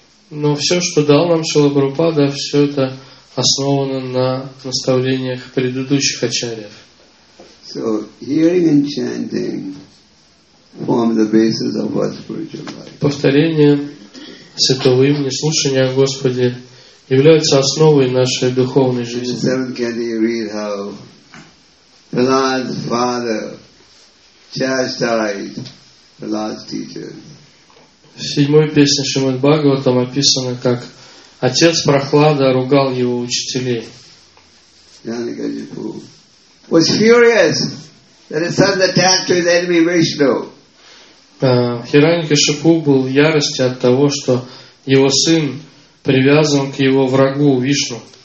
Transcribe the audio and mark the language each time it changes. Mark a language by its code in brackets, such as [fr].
[ru] Но все, что дал нам Шрила Прабхупада, все это основано на наставлениях предыдущих Ачарьев. [en] So, hearing and chanting form the basis of our spiritual life. [ru] Повторение святого имени, слушание о Господе являются основой нашей духовной жизни. [en] In the seventh canto you read how Prahlad's father chastised Prahlad's teacher. [ru] В седьмой песне Шримад Бхагаватам описано, как отец Прохлада ругал его учителей. [en] Janakajipu was furious that his son attacked his enemy Vishnu. [ru] Хираньякашипу был в ярости от того, что его сын привязан к его врагу Вишну.